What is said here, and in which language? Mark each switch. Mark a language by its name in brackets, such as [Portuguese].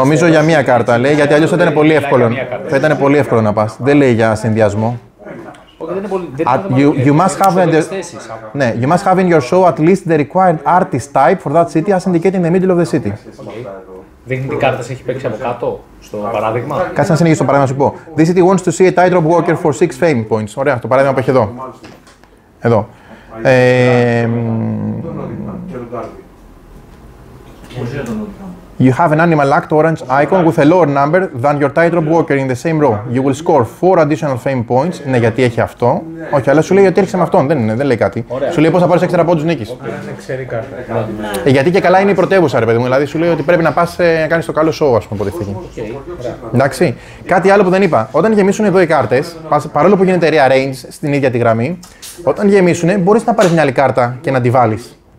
[Greek] Νομίζω για μία κάρτα λέει, γιατί αλλιώς θα ήταν πολύ εύκολο να πας. Δεν λέει για συνδυασμό. [English] You must have in your show at least the required artist type for that city as indicated in the middle of the city. [Greek] Δείχνει τι κάρτες έχει παίξει από κάτω, στο παράδειγμα. Κάτσε να συνεχίσει το παράδειγμα, να σου πω. [English] This city wants to see a tightrope walker for 6 fame points. [Greek] Ωραία, το παράδειγμα που έχει εδώ. Εδώ. [English] You have an animal act orange icon with a lower number than your tightrope walker in the same row. You will score 4 additional fame points. [Greek] Ναι, γιατί έχει αυτό. Όχι, αλλά σου λέει ότι έρχεσαι με αυτόν. Δεν είναι, δεν λέει κάτι. Ωραία. Σου λέει πώς θα πάρεις έξτρα πόντους νίκης. Γιατί και καλά είναι η πρωτεύουσα, ρε παιδί μου. Δηλαδή σου λέει ότι πρέπει να πας να κάνεις το καλό show, ας πούμε, από τη στιγμή. Εντάξει. Κάτι άλλο που δεν είπα. Όταν γεμίσουν εδώ οι κάρτες, παρόλο που γίνεται rearrange στην ίδια τη γραμμή, όταν γεμίσουν, μπορείς να πάρεις μια άλλη κάρτα και να τη βάλεις.